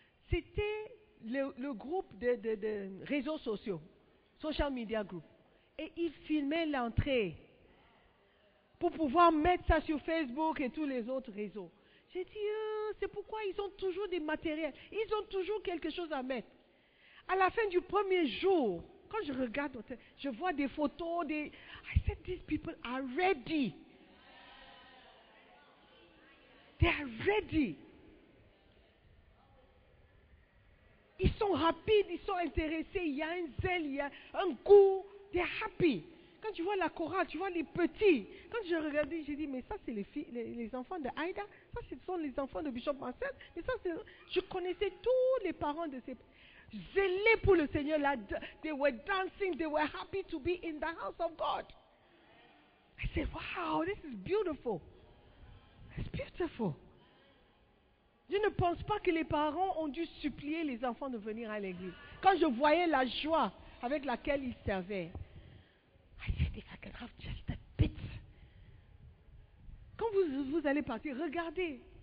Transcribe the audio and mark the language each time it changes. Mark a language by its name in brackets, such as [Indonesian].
[French] C'était le groupe de réseaux sociaux, [English] social media group, [French] et ils filmaient l'entrée pour pouvoir mettre ça sur Facebook et tous les autres réseaux. J'ai dit, c'est pourquoi ils ont toujours des matériels. Ils ont toujours quelque chose à mettre. À la fin du premier jour, quand je regarde, je vois des photos, des... [English] I said, these people are ready. They are ready. [French] Ils sont rapides, ils sont intéressés. Il y a un zèle, il y a un goût. [English] They are happy. [French] Quand tu vois la chorale, tu vois les petits. Quand je regardais, j'ai dit, mais ça, c'est les filles, les enfants de Aïda. Ça, ce sont les enfants de Bishop Marcel. Mais ça, c'est... Je connaissais tous les parents de ces... zélés pour le Seigneur. Là, [English] they were dancing. They were happy to be in the house of God. I said, wow, this is beautiful. It's beautiful. [French] Je ne pense pas que les parents ont dû supplier les enfants de venir à l'église. Quand je voyais la joie avec laquelle ils servaient, [English] I said, if I could have just a bit. [French] Quand vous allez partir, regardez.